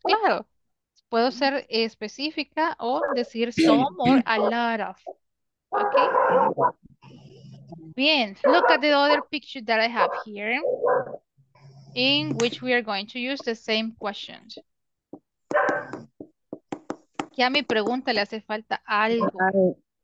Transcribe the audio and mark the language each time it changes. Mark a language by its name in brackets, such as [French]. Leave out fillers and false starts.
[Spanish] Claro, puedo ser específica o decir [English] some or a lot of. Okay. [Spanish] Bien, [English] look at the other picture that I have here, in which we are going to use the same questions. [Spanish] ¿Qué a mi pregunta le hace falta algo?